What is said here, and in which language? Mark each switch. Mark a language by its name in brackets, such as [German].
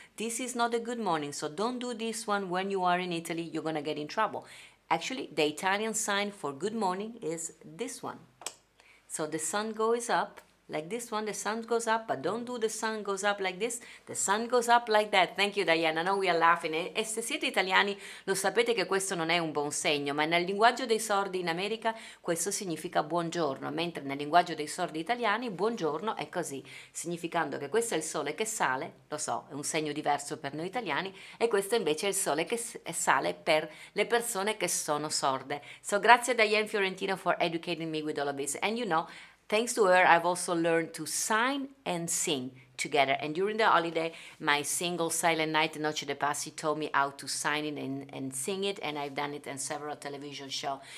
[English] This is not a good morning, so don't do this one when you are in Italy, you're gonna get in trouble. Actually, the Italian sign for good morning is this one. So the sun goes up like this one, the sun goes up, but don't do the sun goes up like this, the sun goes up like that. Thank you, Diana. I know we are laughing. [Italian] E se siete italiani, lo sapete che questo non è un buon segno, ma nel linguaggio dei sordi in America questo significa buongiorno, mentre nel linguaggio dei sordi italiani buongiorno è così, significando che questo è il sole che sale, lo so, è un segno diverso per noi italiani, e questo invece è il sole che sale per le persone che sono sorde. [English] So grazie, Diane Fiorentino, for educating me with all of this. And you know, thanks to her, I've also learned to sign and sing together. And during the holiday, my single Silent Night, Noche de Paz, she told me how to sign it and sing it, and I've done it in several television shows.